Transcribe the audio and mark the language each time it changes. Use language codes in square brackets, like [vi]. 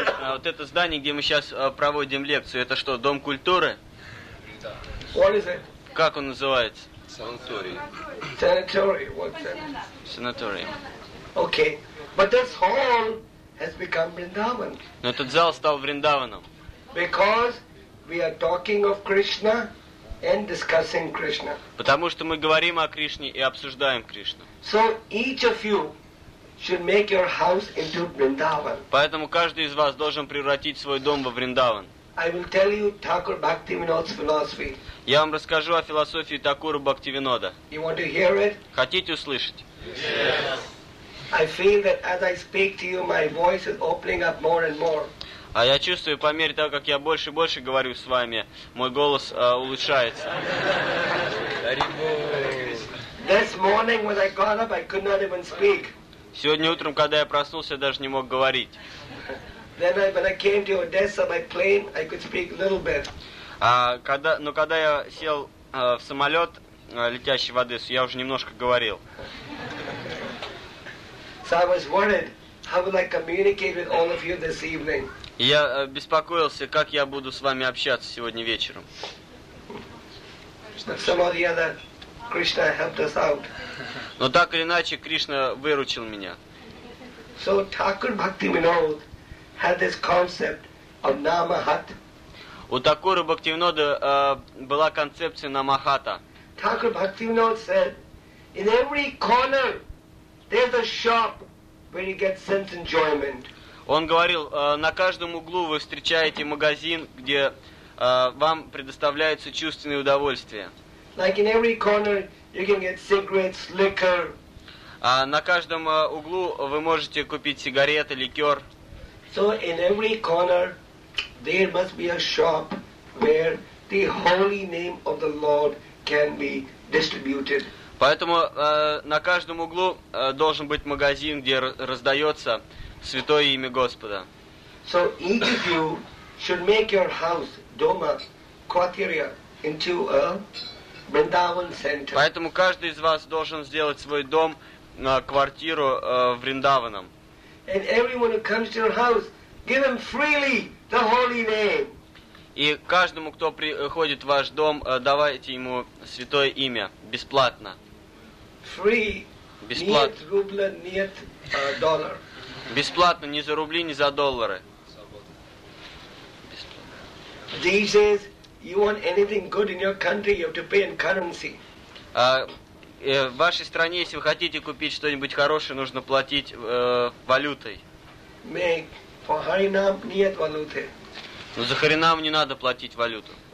[ru] Вот это здание, где мы сейчас проводим лекцию, это что, дом культуры? [en] What is it? [ru] Как он называется? Санаторий. [en] Санаторий, what's that? [ru] Санаторий. [en] Okay. But this hall has become Vrindavan. [ru] Но этот зал стал Вриндаваном. [en] Because we are talking of Krishna and discussing Krishna. [ru] Потому что мы говорим о Кришне и обсуждаем Кришну. [en] So each of you should make your house into Vrindavan. [ru] Поэтому каждый из вас должен превратить свой дом во Вриндаван. [en] I will tell you Thakur Bhaktivinoda's philosophy. [ru] Я вам расскажу о философии Такура Бхактивинода. [en] You want to hear it? [ru] Хотите услышать? [en] Yes. I feel that as I speak to you, my voice is opening up more and more. [ru] А я чувствую, по мере того, как я больше и больше говорю с вами, мой голос улучшается. [en] This morning when I got up, I could not even speak. [ru] Сегодня утром, когда я проснулся, я даже не мог говорить. [en] Then I, when I came to Odessa by plane, I could speak a little bit. [ru] Когда я сел в самолет, летящий в Одессу, я уже немножко говорил. [en] So I was worried, how will I communicate with all of you this evening? [ru] Я беспокоился, как я буду с вами общаться сегодня вечером. [en] Some of the other Krishna helped us out. [ru] Но так или иначе, Кришна выручил меня. [en] So Thakur Bhaktivinoda had this concept of Namahat. [ru] У Такура Бхактивинода была концепция Намахата. [en] Thakur Bhaktivinoda said, in every corner there's a shop where you get sense enjoyment. [ru] Он говорил, на каждом углу вы встречаете магазин, где вам предоставляются чувственные удовольствия. [en] Like in every corner you can get cigarettes, liquor. [ru] А на каждом углу вы можете купить сигареты, ликер. [en] So in every corner there must be a shop where the holy name of the Lord can be distributed. [ru] Поэтому на каждом углу должен быть магазин, где раздается святое имя Господа. [en] So each of you should make your house, [ru] doma, quartiria, [en] into a Vrindavan center. [ru] Поэтому каждый из вас должен сделать свой дом, квартиру в Вриндаваном. [en] And everyone who comes to your house, give them freely the holy name. [ru] И каждому, кто приходит в ваш дом, давайте ему святое имя бесплатно. [en] Free. [ru] Бесплатно. Нет рубля, нет доллар. Бесплатно, ни за рубли, ни за доллары. [en] These days, you want anything good in your country, you have to pay in currency. [ru] В вашей стране, если вы хотите купить что-нибудь хорошее, нужно платить валютой. [en] Make for [ru] Харинам нет валюты. Но за Харинам не надо платить валюту.